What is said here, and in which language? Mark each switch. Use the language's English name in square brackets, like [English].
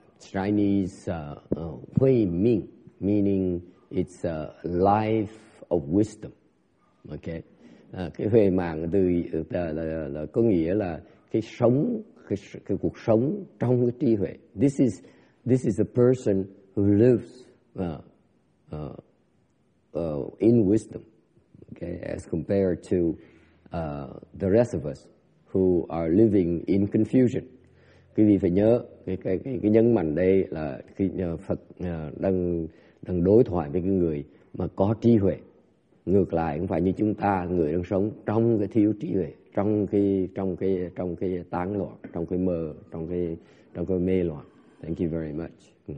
[English] Chinese hui ming, meaning it's a life of wisdom. Okay. [Vietnamese] Cái huệ mạng từ là có nghĩa là cái sống, cái cuộc sống trong cái trí huệ. [English] This is a person who lives in wisdom, okay, as compared to the rest of us who are living in confusion. [Vietnamese] Quý vị phải nhớ cái nhấn mạnh đây là khi Phật đang đối thoại với cái người mà có trí huệ. Ngược lại cũng phải như chúng ta, người đang sống trong cái thiếu trí huệ, trong cái tán loạn, trong cái mơ, trong cái mê loạn. [English] Thank you very much.